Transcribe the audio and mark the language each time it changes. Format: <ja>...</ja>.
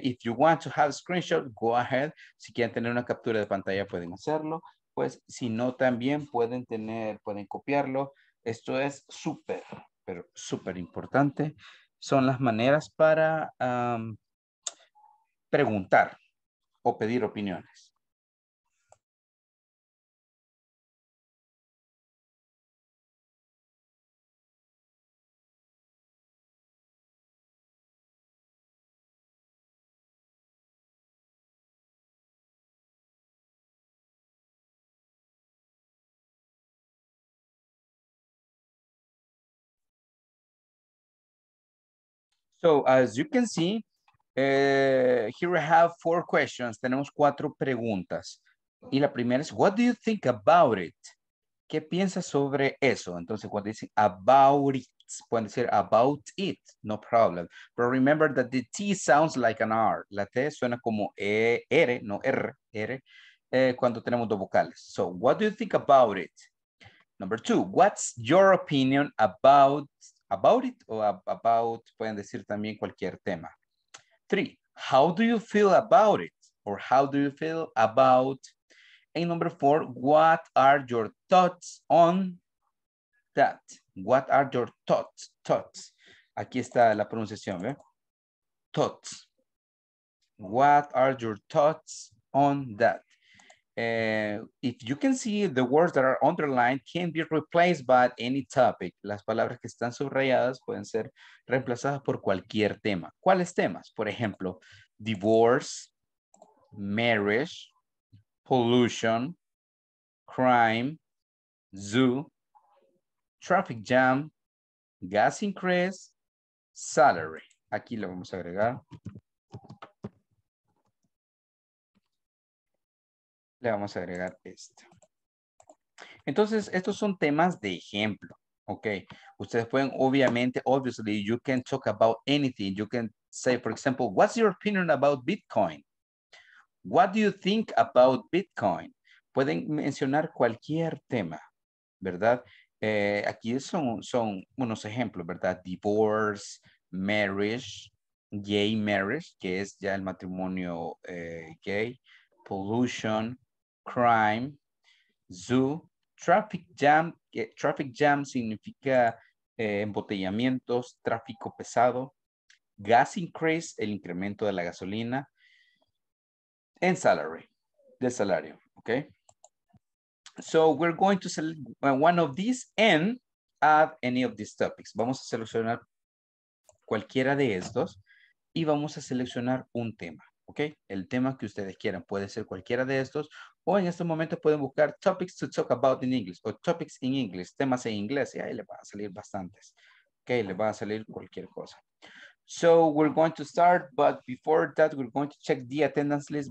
<en>If you want to have a screenshot, go ahead.</en> <es>Si quieren tener una captura de pantalla, pueden hacerlo. Pues, si no, también pueden copiarlo. Esto es súper, pero súper importante. Son las maneras para preguntar o pedir opiniones.</es> <en>So, as you can see, here I have four questions.</en> <es>Tenemos cuatro preguntas. Y la primera es,</es> <en>what do you think about it?</en> <es>¿Qué piensas sobre eso? Entonces, cuando dicen about it, pueden decir</es> <en>about it, no problem. But remember that the T sounds like an R.</en> <es>La T suena como R, no R, R, cuando tenemos dos vocales.</es> <en>So, what do you think about it? Number two, what's your opinion about it o about,</en> <es>pueden decir también cualquier tema.</es> <en>Three, how do you feel about it? Or how do you feel about? And number four, what are your thoughts on that? What are your thoughts? Thoughts.</en> <es>Aquí está la pronunciación, ¿ve?</es> <en>Thoughts. What are your thoughts on that? If you can see, the words that are underlined can be replaced by any topic.</en> <es>Las palabras que están subrayadas pueden ser reemplazadas por cualquier tema. ¿Cuáles temas? Por ejemplo,</es> <en>divorce, marriage, pollution, crime, zoo, traffic jam, gas increase, salary.</en> <es>Aquí lo vamos a agregar. Le vamos a agregar esto. Entonces, estos son temas de ejemplo,</es> <en>Okay.</en> <es>Ustedes pueden, obviamente,</es> <en>obviously, you can talk about anything. You can say, for example, what's your opinion about Bitcoin? What do you think about Bitcoin?</en> <es>Pueden mencionar cualquier tema, ¿verdad? Aquí son unos ejemplos, ¿verdad?</es> <en>Divorce, marriage, gay marriage,</en> <es>que es ya el matrimonio gay,</es> <en>pollution, crime, zoo, traffic jam,</en> <es>que traffic jam significa embotellamientos, tráfico pesado, gas increase, el incremento de la gasolina,</es> <en>and salary,</en> <es>the salario, okay?</es> <en>So we're going to select one of these and add any of these topics.</en> <es>Vamos a seleccionar cualquiera de estos y vamos a seleccionar un tema, okay? El tema que ustedes quieran puede ser cualquiera de estos o en este momento pueden buscar</es> <en>topics to talk about in English</en> <es>o</es> <en>topics in English,</en> <es>temas en inglés y ahí les van a salir bastantes, okay? Les van a salir cualquier cosa.</es> <en>So we're going to start, but before that, we're going to check the attendance list.</en>